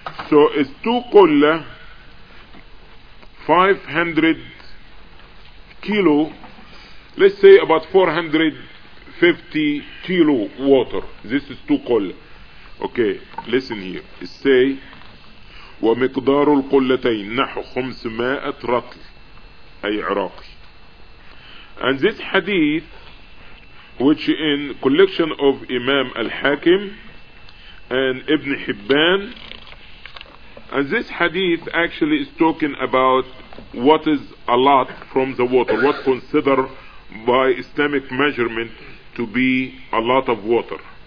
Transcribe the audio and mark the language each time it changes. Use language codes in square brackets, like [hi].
[en] So it's 2 kulla, 500 kilo, let's say about 450 kilo water. This is 2 kulla. Okay, listen here. It say, [ar] وَمِقْدَارُ الْقُلَّتَيْنِ نَحُ 500 رَطْلِ أي عراقي. [en] And this hadith, which in collection of Imam Al-Hakim and Ibn Hibban, and this hadith actually is talking about what is a lot from the water, what considered by Islamic measurement to be a lot of water.